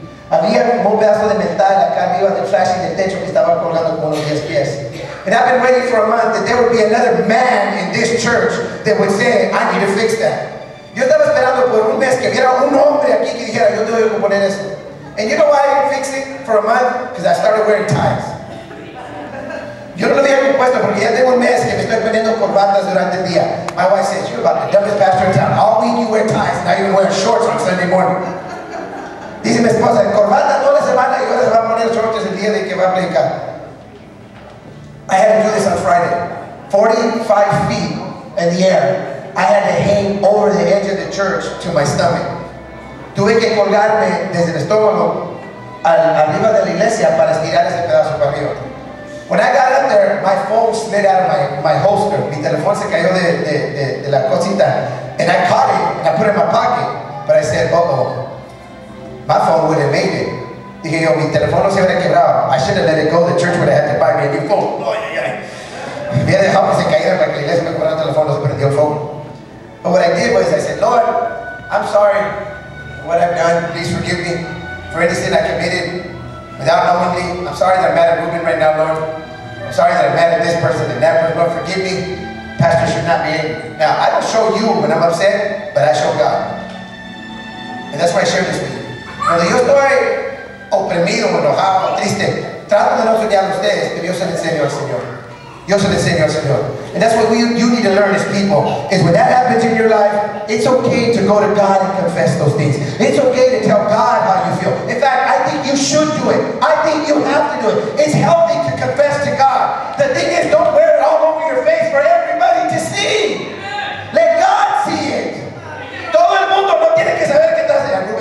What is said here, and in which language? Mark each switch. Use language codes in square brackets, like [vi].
[es] Había un pedazo de metal acá arriba del flashing del techo que estaba colgando como los 10 pies. [en] And I've been waiting for a month that there would be another man in this church that would say, I need to fix that. [es] Yo estaba esperando por un mes que hubiera un hombre aquí que dijera, yo tengo que poner eso. [en] And you know why I didn't fix it for a month? Because I started wearing ties. [es] Yo no lo había compuesto porque ya tengo un mes que me estoy poniendo corbatas durante el día. [en] My wife says, you're about the dumbest pastor in town. All week you wear ties, now you're wearing shorts on Sunday morning. [es] Dice mi esposa, corbata toda la semana y ahora se va a poner shorts el día de que va a predicar. [en] I had to do this on Friday. 45 feet in the air. I had to hang over the edge of the church to my stomach. [es] Tuve que colgarme desde el estómago arriba de la iglesia para estirar ese pedazo para arriba. [en] When I got up there, my phone slid out of my holster. [es] Mi teléfono se cayó de la cosita. [en] And I caught it and I put it in my pocket. But I said, uh-oh, my phone would have made it. [es] Dije yo, mi teléfono se hubiera quebrado. [en] I should have let it go. The church would have had to buy me a new phone. [es] Me había dejado que se cayera para que la iglesia me cobrara el teléfono, se prendió el phone. [en] But what I did was, I said, Lord, I'm sorry for what I've done. Please forgive me for any sin I committed without knowingly. I'm sorry that I'm mad at Ruben right now, Lord. I'm sorry that I'm mad at this person and that person. Lord, forgive me. Pastor should not be angry. Now, I don't show you when I'm upset, but I show God. And that's why I share this with you. [es] Cuando yo estoy oprimido, enojado, triste, trato de no soñar a ustedes, pero yo se lo enseño al Señor. Yo se lo enseño al Señor. [en] And that's what you need to learn as people, is when that happens in your life, it's okay to go to God and confess those things. It's okay to tell God how you feel. In fact, I think you should do it. I think you have to do it. It's healthy to confess to God. The thing is, don't wear it all over your face for everybody to see. Let God see it. [es] Todo el mundo no tiene que saber qué estás haciendo.